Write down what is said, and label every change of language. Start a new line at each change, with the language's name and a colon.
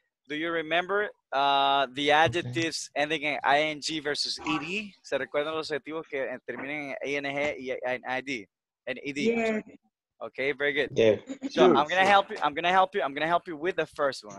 English: Do you remember the adjectives ending in ing versus ed?
Spanish: ¿Se recuerdan los adjetivos que terminan en ing y id?
English: And ed. Yeah. Okay, very good. Yeah. So sure, I'm gonna help you with the first one.